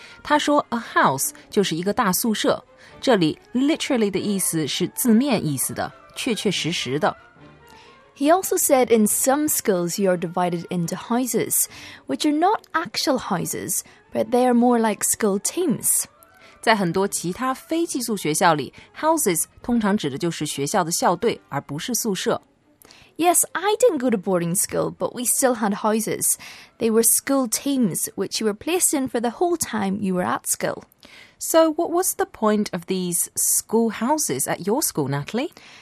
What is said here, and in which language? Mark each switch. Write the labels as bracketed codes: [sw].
[zh] 他说 a house 就是一个大宿舍。这里 literally 的意思是字面意思的，确确实实的。 [en] He also said in some schools you are divided into houses, which are not actual houses, but they are more like school teams. [zh] 在很多其他非寄宿学校里 ,houses 通常指的就是学校的校队而不是宿舍。 [en] Yes, I didn't go to boarding school, but we still had houses. They were school teams, which you were placed in for the whole time you were at school. So what was the point of these school houses at your school, Natalie?